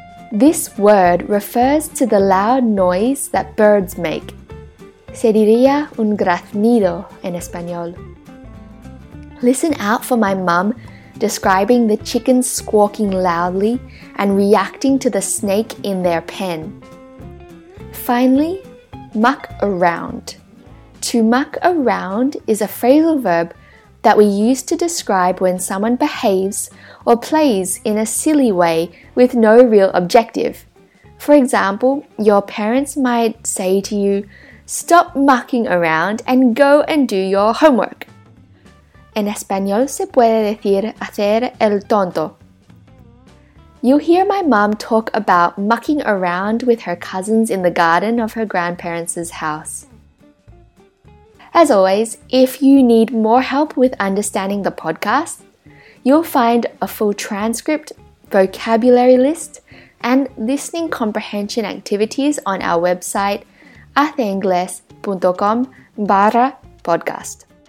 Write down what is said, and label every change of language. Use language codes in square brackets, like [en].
[en] This word refers to the loud noise that birds make. [es] Se diría un graznido en español. [en] Listen out for my mum describing the chickens squawking loudly and reacting to the snake in their pen. Finally, muck around. To muck around is a phrasal verb that we use to describe when someone behaves or plays in a silly way with no real objective. For example, your parents might say to you, "Stop mucking around and go and do your homework." [es] En español se puede decir hacer el tonto. [en] You'll hear my mom talk about mucking around with her cousins in the garden of her grandparents' house. As always, if you need more help with understanding the podcast, you'll find a full transcript, vocabulary list, and listening comprehension activities on our website, atheinglés.com/podcast.